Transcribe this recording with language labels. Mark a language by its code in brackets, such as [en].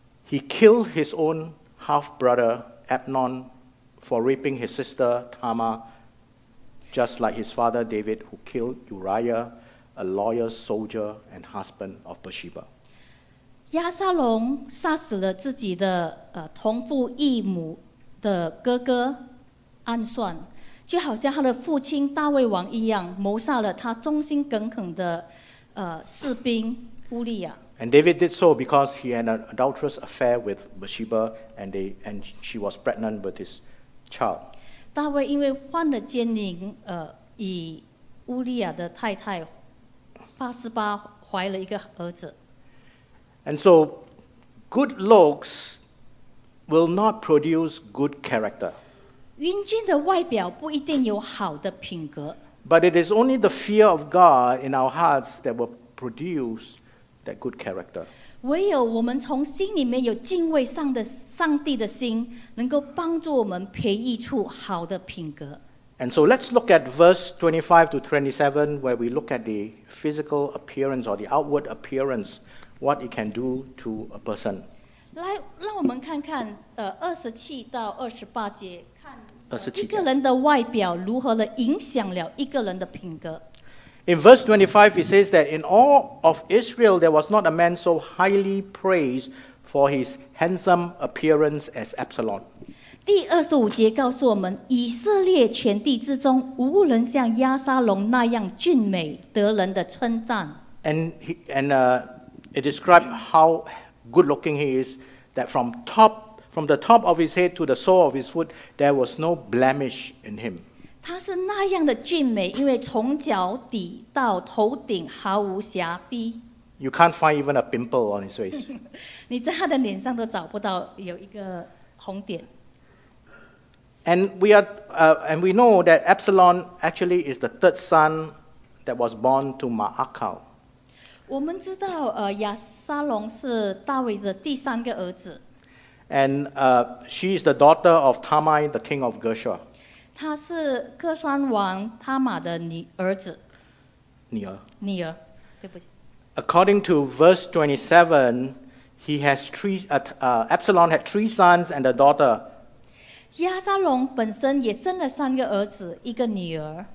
[en] He killed his own half-brother, Amnon, for raping his sister, Tamar, just like his father, David, who killed Uriah, a lawyer, soldier, and husband of Bathsheba. [zh] 亚撒龙杀死了自己的同父异母的哥哥暗算，就好像他的父亲大卫王一样，谋杀了他忠心耿耿的士兵乌利亚。 [en] And David did so because he had an adulterous affair with Bathsheba, and she was pregnant with his child. [zh] 大卫因为患了奸淫，以乌利亚的太太八十八怀了一个儿子。 [en] And so, good looks will not produce good character. [zh] 英俊的外表不一定有好的品格。 [en] But it is only the fear of God in our hearts that will produce that good character. [zh] 唯有我们从心里面有敬畏上帝的心，能够帮助我们培育出好的品格。 [en] And so let's look at verse 25 to 27, where we look at the physical appearance or the outward appearance, what it can do to a person. [zh] 来，让我们看看，27到28节，看一个人的外表如何的影响了一个人的品格。 [en] In verse 25, it says that in all of Israel, there was not a man so highly praised for his handsome appearance as Absalom. [zh] 第二十五节告诉我们，以色列全地之中，无人像亚撒龙那样俊美，得人的称赞。 [en] And it describes how good looking he is. That from the top of his head to the sole of his foot, there was no blemish in him. [zh] 他是那样的俊美，因为从脚底到头顶毫无瑕疵。 [en] You can't find even a pimple on his face. [zh] 你在他的脸上都找不到有一个红点。 [en] And we know that Absalom actually is the third son that was born to Maacah. [zh] 我们知道，亚撒龙是大卫的第三个儿子。 [en] And she is the daughter of Tamai, the king of Geshur. [zh] 她是哥山王他玛的女儿，对不起。 [en] According to verse 27, he has Absalom had three sons and a daughter. [zh] 亚撒龙本身也生了三个儿子，一个女儿。